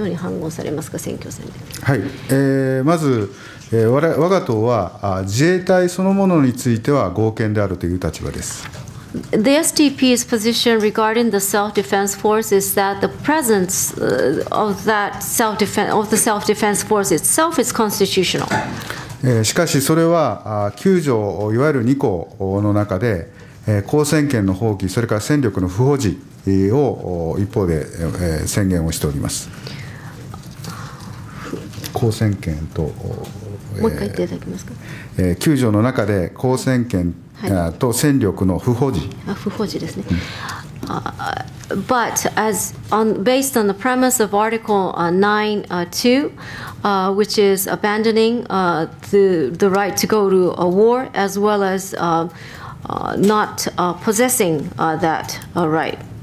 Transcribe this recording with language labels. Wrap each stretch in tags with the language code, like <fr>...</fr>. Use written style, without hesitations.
<ja>まず、我が党は自衛隊そのものについては合憲であるという立場です。</ja> <en>The SDP's position regarding the self-defense force is that the presence of that self-defense of the self-defense force itself is constitutional.</en> <ja>しかしそれは9条いわゆる2項の中で公選権の放棄それから戦力の不保持を一方で宣言をしております。公選権ともう一回言っていただけますか。 9条の中で公選権と戦力の不保持。不保持ですね。</ja> <en>But as on based on the premise of Article 9.2, which is abandoning the right to go to a war as well as not possessing that right.</en>